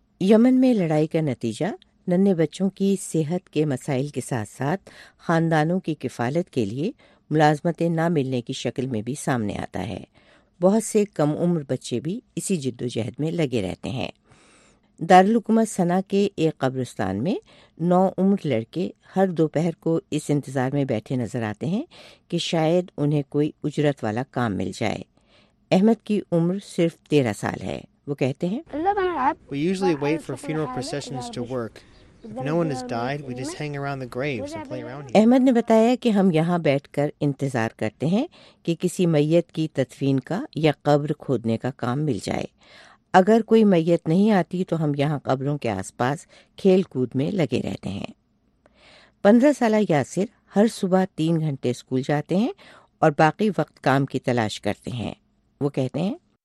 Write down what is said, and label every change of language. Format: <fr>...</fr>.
<ur>یمن میں لڑائی کا نتیجہ ننھے بچوں کی صحت کے مسائل کے ساتھ ساتھ خاندانوں کی کفالت کے لیے ملازمتیں نہ ملنے کی شکل میں بھی سامنے آتا ہے۔ بہت سے کم عمر بچے بھی اسی جد و جہد میں لگے رہتے ہیں۔ دارالحکومت سنا کے ایک قبرستان میں 9 عمر لڑکے ہر دوپہر کو اس انتظار میں بیٹھے نظر آتے ہیں کہ شاید انہیں کوئی اجرت والا کام مل جائے۔ احمد کی عمر صرف 13 سال ہے۔ وہ کہتے ہیں،</ur> <en>We usually wait for funeral processions to work. If no one has died, we just hang around the graves and play around here.</en> <ur>Ahmad نے بتایا کہ ہم یہاں بیٹھ کر انتظار کرتے ہیں کہ کسی میت کی تدفین کا یا قبر کھودنے کا کام مل جائے۔ اگر کوئی میت نہیں آتی تو ہم یہاں قبروں کے آس پاس کھیل کود میں لگے رہتے ہیں۔ 15 سالہ یاسر ہر صبح 3 گھنٹے اسکول جاتے ہیں اور باقی وقت کام کی تلاش کرتے ہیں۔ وہ کہتے ہیں،</ur>